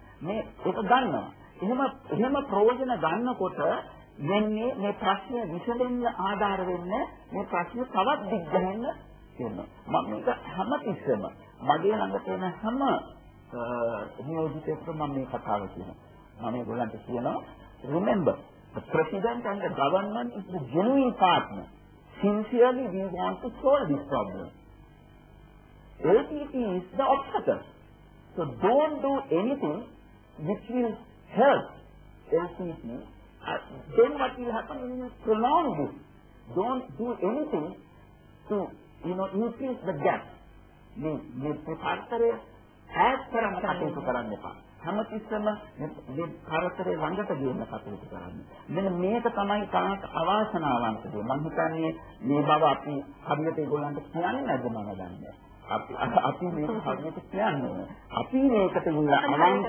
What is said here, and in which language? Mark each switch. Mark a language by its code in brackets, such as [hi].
[si] මේ ඒක ගන්නවා. එහෙම ප්‍රයෝජන ගන්නකොට වෙන්නේ මේ ප්‍රශ්නේ විසඳෙන්න ආධාර වෙන්නේ මේ ප්‍රශ්න තවත් දිග්ගෙනෙන්න වෙනවා. මම මේක හැම තිස්සෙම මගේ ළඟ තියෙන හැම නියෝජිතයෙක්ට මම මේ කතාව කියනවා. මම ඒගොල්ලන්ට කියනවා [en] remember the president and the government is the genuine partner. Sincerely we want to solve this problem. LPP is the obstacle. So don't do anything which will help LPP. Then what will happen when you prolong this? Don't do anything to, you know, increase the gap. [si] මේ පරතරය හැස් කරන්න කටයුතු කරන්න එපා. හැම තිස්සම මේ පරතරය ළඟට ගේන්න කටයුතු කරන්න. මෙන්න මේක තමයි තාක් අවාසනාවන්ත දේ. මම හිතන්නේ මේ බව අපි හරියට ඒගොල්ලන්ට කියන්නේ නැද්ද මම දන්නේ. අපි මේක හරියට කියන්නේ. අපි මේකට ගුණ අවංක